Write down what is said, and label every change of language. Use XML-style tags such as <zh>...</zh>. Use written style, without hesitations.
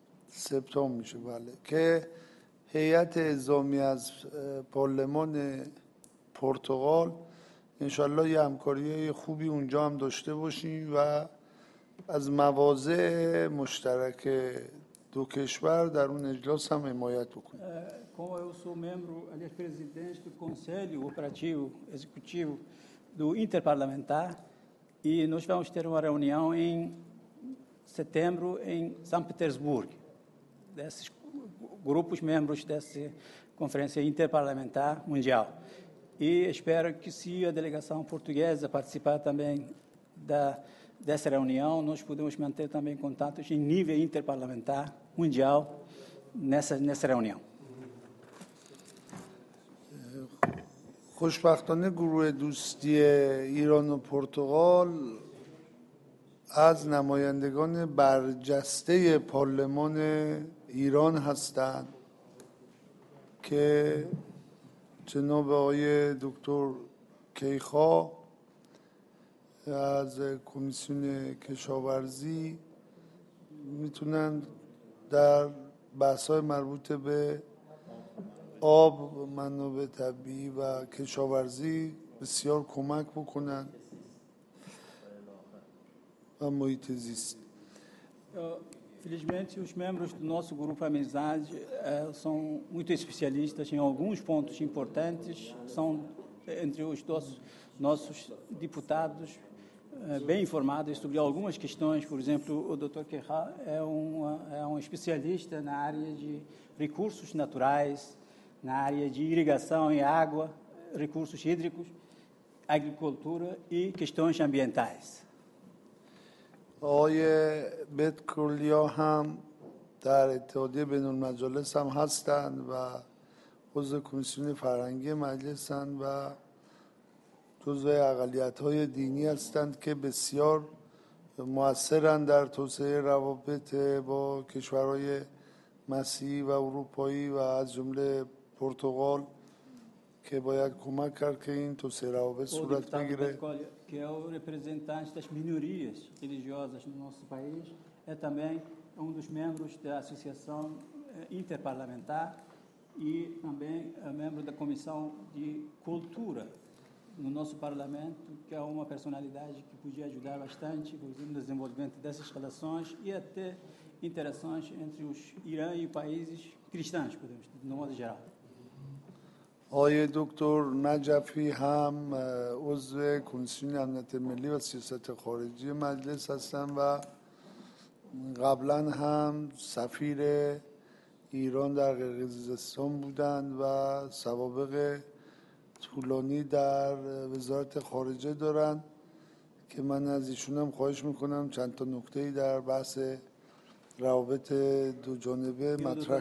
<fa>سپتامبر میشه بله که هیئت اعزامی از پارلمان پرتغال انشالله یه همکاری خوبی اونجا هم داشته باشیم و از مواضع مشترک دو کشور در اون اجلاس هم حمایت بکنیم.</fa> <pt>Como eu sou membro, aliás, presidente do Conselho Operativo Executivo do Interparlamentar. E nós vamos ter uma reunião em setembro em São Petersburgo, desses grupos membros dessa conferência interparlamentar mundial. E espero que se a delegação portuguesa participar também dessa reunião, nós podemos manter também contatos em nível interparlamentar mundial nessa reunião.</pt> <fa>خوشبختانه گروه دوستی ایران و پرتغال از نمایندگان برجسته پارلمان ایران هستند که جناب آقای دکتر کیخا از کمیسیون کشاورزی میتونن در بحث‌های مربوط به آب و منابع طبیعی و کشاورزی بسیار کمک بکنن و محیط زیست.</fa> <pt>Felizmente os membros do nosso grupo Amizade são muito especialistas em alguns pontos importantes, são entre os nossos deputados bem informados sobre algumas questões, por exemplo, o Dr. Kerra é um especialista na área de recursos naturais, na área de irrigação e água, recursos hídricos, agricultura e questões ambientais.</pt> <fa>آقای بدکرلیا هم در اتحادیه بین المجالس هم هستند و عضو کمیسیون فرهنگی مجلس هستند و جزو اقلیت های دینی هستند که بسیار مؤثرند در توسعه روابط با کشورهای مسیحی و اروپایی و از جمله پرتغال که باید کمک کرد که این توسعه روابط صورت بگیره.</fa> <pt>Que é o representante das minorias religiosas no nosso país, é também um dos membros da Associação Interparlamentar e também é membro da Comissão de Cultura no nosso Parlamento, que é uma personalidade que podia ajudar bastante no desenvolvimento dessas relações e até interações entre os Irã e países cristãos, podemos dizer, no modo geral.</pt> <fa>آقای دکتر نجفی هم عضو کمیسیون امنیت ملی و سیاست خارجی مجلس هستن و قبلا هم سفیر ایران در قرقیزستان بودند و سوابق طولانی در وزارت خارجه دارن که من از ایشون هم خواهش میکنم چند تا نکته‌ای در بحث روابط دو جانبه مطرح</fa>